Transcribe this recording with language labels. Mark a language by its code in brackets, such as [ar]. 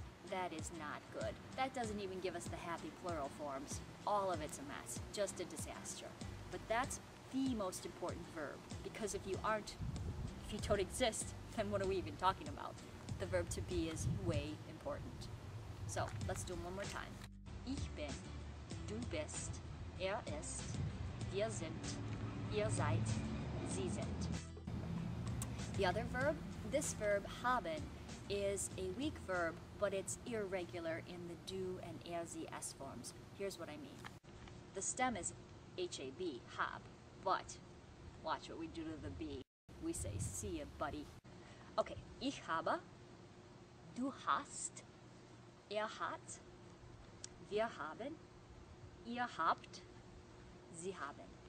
[en] That is not good. That doesn't even give us the happy plural forms. All of it's a mess. Just a disaster. But that's the most important verb. Because if you don't exist, then what are we even talking about? the verb to be is way important. So, let's do one more time. [de] Ich bin, du bist, ist, wir sind, seid, sie sind. [en] The other verb, this verb, haben, is a weak verb, but it's irregular in the du and sie forms. Here's what I mean. The stem is H-A-B, hab, but watch what we do to the B. We say, see ya, buddy. [de] Okay, ich habe, du hast, hat, wir haben, habt, sie haben.